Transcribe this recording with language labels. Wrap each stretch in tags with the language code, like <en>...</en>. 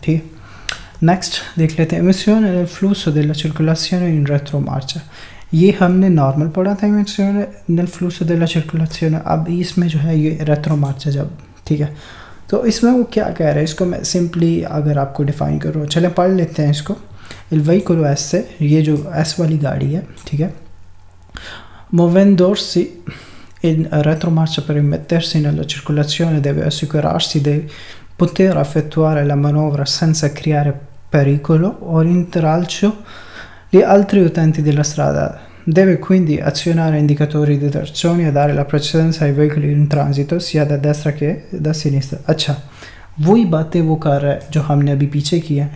<hi>ठीक है, नेक्स्ट देख लेते हैं इमिशन एल फ्लूसो दिल सर्कुलेशन इन रेट्रो मार्चा. ये हमने नॉर्मल पढ़ा था इमिशन एल फ्लूसो दिल सर्कुलेशन, अब इसमें जो है ये रेट्रो मार्चा जब. ठीक है, तो इसमें वो क्या कह रहे हैं, इसको मैं सिंपली अगर आपको डिफाइन करूँ, चले पढ़ लेते हैं इसको. इल वेहीकुलो एस से, ये जो एस वाली गाड़ी है, ठीक है,</hi> <it>muovendosi in retromarcia per immettersi nella circolazione deve assicurarsi di poter effettuare la manovra senza creare pericolo o intralcio agli altri utenti della strada. Deve quindi azionare indicatori di direzione e dare la precedenza ai veicoli in transito sia da destra che da sinistra.</it> <hi>Accia, वही बातें वो कर रहे जो हमने अभी पीछे की है.</hi>